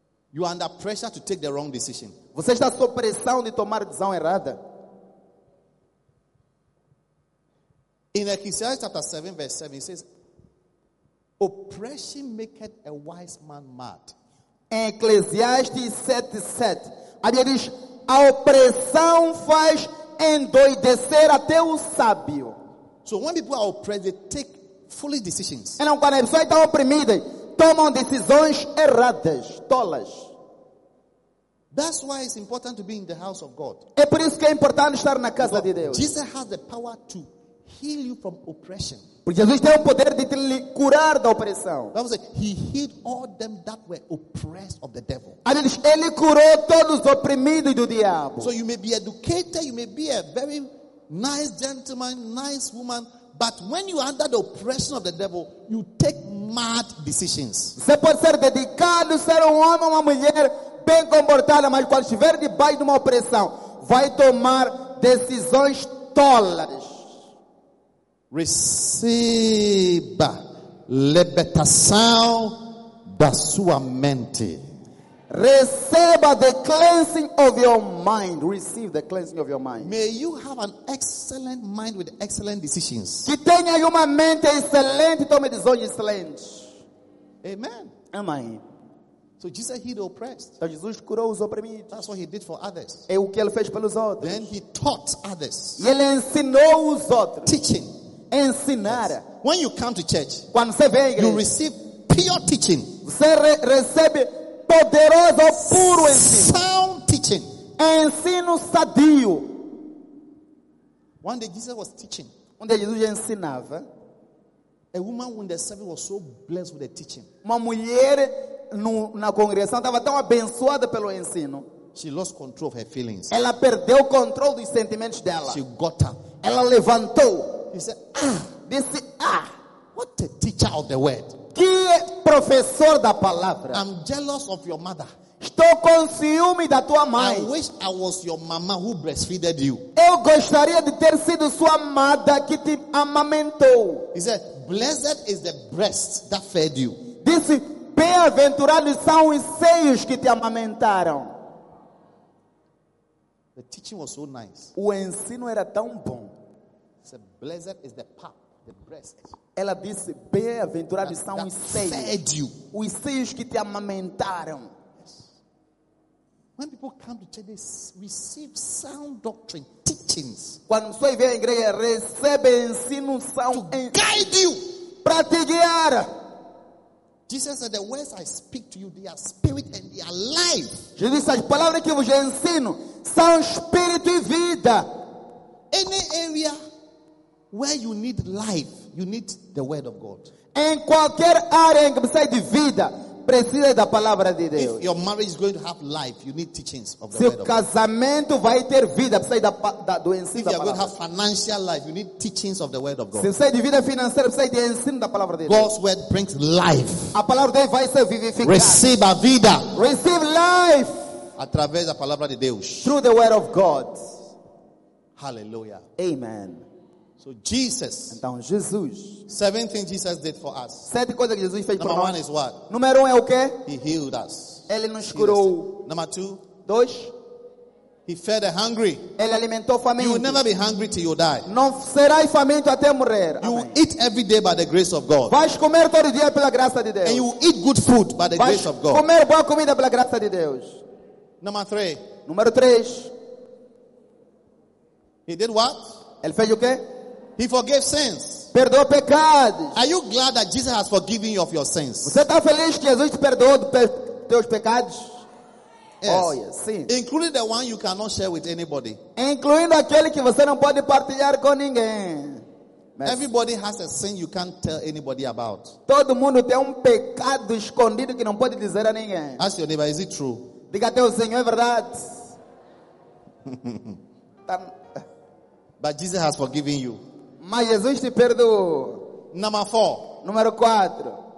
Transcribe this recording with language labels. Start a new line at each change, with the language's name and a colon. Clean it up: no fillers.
English: you are under pressure to take the wrong decision.
Portuguese: Você está sob pressão de tomar a decisão errada.
English: In Ecclesiastes chapter 7 verse 7 it says, Oppression maketh a wise man mad.
Portuguese: Eclesiastes 7:7. A Bíblia diz: a opressão faz endoidecer até o sábio.
English: So when people are oppressed, they take foolish decisions.
Portuguese: Então, quando as pessoas estão oprimidas, tomam decisões erradas, tolas.
English: That's why it's important to be in the house of God.
Portuguese: É por isso que é importante estar na casa
English: because
Portuguese: de Deus.
English: Jesus has the power to heal you from oppression.
Portuguese: Porque Jesus tem o poder de te curar da opressão. Vamos dizer,
English: he healed all them that were oppressed of the devil.
Portuguese: Ele curou todos os oprimidos do diabo.
English: So you may be educated, you may be a very nice gentleman, nice woman, but when you are under the oppression of the devil, you take mad decisions.
Portuguese: Você pode ser dedicado, ser homem ou uma mulher bem comportada, mas quando estiver debaixo de uma opressão, vai tomar decisões tolas. Receba libertação da sua mente. Receba
English: the cleansing of your mind. Receive the cleansing of your mind. May you have an excellent mind with excellent decisions.
Portuguese: Que tenha uma mente excelente, tome decisões excelentes.
English: Amen.
Portuguese: Amém.
English: So Jesus healed the oppressed.
Portuguese: Então Jesus curou os oprimidos.
English: That's what he did for others.
Portuguese: É o que ele fez pelos outros.
English: Then he taught others.
Portuguese: E ele ensinou os outros.
English: Teaching.
Portuguese: Ensinar.
English: Yes. When you come to church,
Portuguese: quando você vem à igreja,
English: you receive pure teaching.
Portuguese: Você recebe poderoso, puro ensino.
English: Sound teaching.
Portuguese: Ensino sadio.
English: One day Jesus was teaching.
Portuguese: Um dia Jesus ensinava.
English: A woman in the service was so blessed with the teaching.
Portuguese: Uma mulher na congregação estava tão abençoada pelo ensino.
English: She lost control of her feelings.
Portuguese: Ela perdeu o controle dos sentimentos dela.
English: She got up.
Portuguese: Ela levantou.
English: He said, ah, this, ah, what a teacher of the word.
Portuguese: Que professor da palavra.
English: I'm jealous of your mother.
Portuguese: Estou com ciúme da tua mãe.
English: I wish I was your mama who breastfed you.
Portuguese: Eu gostaria de ter sido sua mãe que te amamentou.
English: He said, blessed is the breast that fed you.
Portuguese: Disse, bem-aventurados são os seios que te amamentaram.
English: The teaching was so nice.
Portuguese: O ensino era tão bom.
English: Said, blessed is the pap, the breast.
Portuguese: Ela disse, bem-aventurados são os seios.
English: Fed you.
Portuguese: Os seios que te amamentaram.
English: Yes. When people come to church, they receive sound doctrine, teachings.
Portuguese: Quando você vem à igreja, recebe ensino sound.
English: To guide you.
Portuguese: Para te guiar.
English: Jesus said, the words I speak to you, they are spirit and they are life.
Portuguese: Jesus disse, as palavras que vos ensino são espírito e vida.
English: Any area where you need life, you need the word of God.
Portuguese: Em qualquer área em que precisa de vida, precisa da palavra de Deus.
English: If your marriage is going to have life, you need teachings of the word of
Portuguese: God. Seu casamento vai ter vida, precisa da do ensino da palavra.
English: If you're going to have financial life, you need teachings of the word of God.
Portuguese: Se precisa de vida financeira, precisa de ensino da palavra de Deus.
English: God's word brings life.
Portuguese: A palavra de Deus vai ser vivificada.
English: Receive
Portuguese: a vida.
English: Receive life.
Portuguese: Através da palavra de Deus.
English: Through the word of God. Hallelujah. Amen. So Jesus.
Portuguese: Então Jesus.
English: Seven things Jesus did for us.
Portuguese: Sete coisas que Jesus fez por nós.
English: Number one is what?
Portuguese: Número um é o quê?
English: He healed us.
Portuguese: Ele nos curou.
English: Number two.
Portuguese: Dois.
English: He fed the hungry.
Portuguese: Ele alimentou faminto.
English: You will never be hungry till you die.
Portuguese: Não serás faminto até morrer.
English: You will eat every day by the grace of God.
Portuguese: Vais comer todo dia pela graça de Deus.
English: And you will eat good food by the grace of God.
Portuguese: Vais comer boa comida pela graça de Deus.
English: Number three.
Portuguese: Número três.
English: He did what?
Portuguese: Ele fez o quê?
English: He forgave sins.
Portuguese: Perdoou pecados.
English: Are you glad that Jesus has forgiven you of your sins?
Portuguese: Você está feliz que Jesus te perdoou dos teus pecados?
English: Yes. Oh, yes.
Portuguese: Sim.
English: Including the one you cannot share with anybody.
Portuguese: Incluindo aquele que você não pode partilhar com ninguém. Mas
English: everybody has a sin you can't tell anybody about.
Portuguese: Todo mundo tem pecado escondido que não pode dizer a ninguém.
English: Ask your neighbor, is it true?
Portuguese: Diga até o Senhor, é verdade?
English: But Jesus has forgiven you.
Portuguese: Mas Jesus te perdoou.
English: Number four.
Portuguese: Número 4.